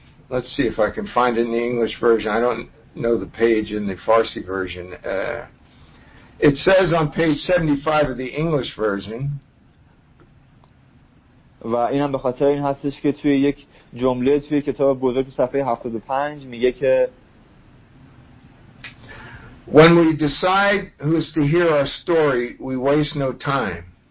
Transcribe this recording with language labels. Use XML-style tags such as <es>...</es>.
<en>Let's see if I can find it in the English version. I don't know the page in the Farsi version. It says on page 75 of the English version.</en> <fa>و اینم به خاطر این هستش که توی یک جمله توی کتاب بزرگ صفحه 75 میگه که</fa> <en>When we decide who is to hear our story, we waste no time.</en>